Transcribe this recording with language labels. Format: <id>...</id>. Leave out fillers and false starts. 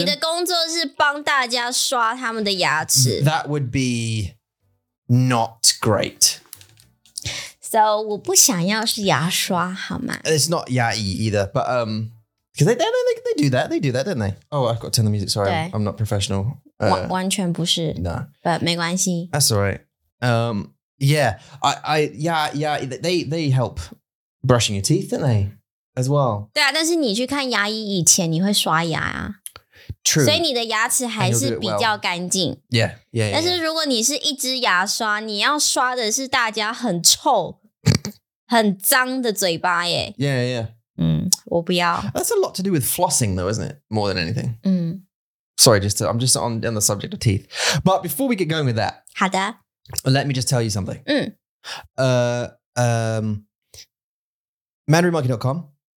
<zh>你的工作是帮大家刷他们的牙齿</zh> <en>That would be not great</en> <zh>So, 我不想要是牙刷好吗</zh> <en>It's not 牙医 either, but, because they do that, they do that, don't they? Oh, I've got to turn the music, sorry, I'm not professional.</en> <zh>完全不是</zh> <en>No.</en> <zh>But 没关系</zh> <en>That's alright. They help brushing your teeth, don't they? As well.</en> <zh>对啊但是你去看牙医以前你会刷牙啊。</zh> <en>True.</en> <zh>所以你的牙齿还是比较干净。</zh> <en>Well. Yeah.</en> <zh>但是如果你是一支牙刷你要刷的是大家很臭。很脏的嘴巴耶</zh> <en>Yeah, yeah.</en> <zh>我不要</zh> <en>That's a lot to do with flossing though, isn't it? More than anything. 嗯 Sorry, I'm just on the subject of teeth. But before we get going with that.</en> <zh>好的</zh> <en>Let me just tell you something. 嗯 Mandarinmonkey.com</en>